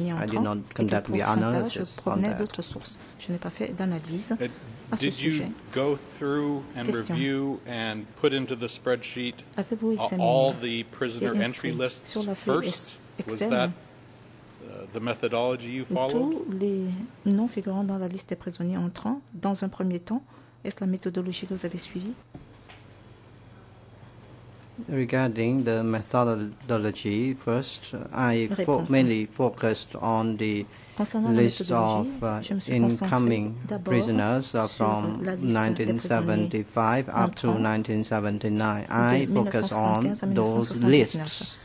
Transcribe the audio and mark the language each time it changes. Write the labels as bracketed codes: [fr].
[en] I did not conduct the analysis on that. Did you go through and review and put into the spreadsheet all the prisoner entry lists first? Was that the methodology you followed? [fr] Tous les noms figurant dans la liste des prisonniers entrants, dans un premier temps, est-ce la méthodologie que vous avez suivie? [en] Regarding the methodology, first, I mainly focused on the list of incoming prisoners from 1975 up to 1979. I focused on those lists.